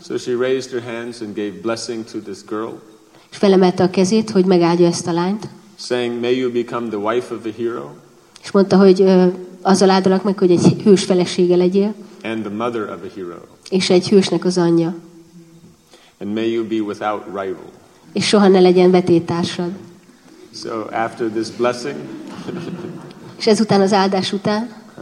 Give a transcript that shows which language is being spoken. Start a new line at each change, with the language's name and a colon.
English: So she raised her hands and gave blessing to this girl.
Hungarian: És felemelte a kezét, hogy megáldja ezt a lányt.
English: Saying, "May you become the wife of a hero."
Hungarian: És mondta, hogy azzal áldalak meg, hogy egy hős felesége legyél.
English: And the mother of a hero.
Hungarian: És egy hősnek az anyja.
English: And may you be without rival.
Hungarian: És soha ne legyen vetélytársad.
English: So after this blessing.
Hungarian: És ezután az áldás után.